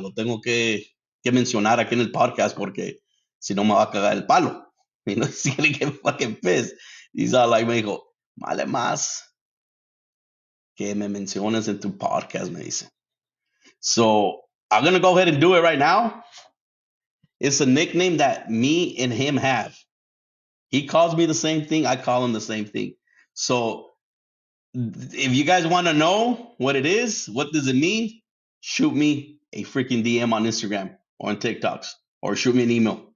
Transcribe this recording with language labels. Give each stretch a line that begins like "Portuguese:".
Spanish: Lo tengo que mencionar aquí en el podcast porque si no me va a cagar el palo.
English: You know, he's going to get fucking pissed. He's all like,
Spanish: me dijo, vale más que me menciones en tu podcast, me dice.
English: So I'm going to go ahead and do it right now. It's a nickname that me and him have. He calls me the same thing. I call him the same thing. So if you guys want to know what it is, what does it mean, shoot me a freaking DM on Instagram or on TikToks, or shoot me an email.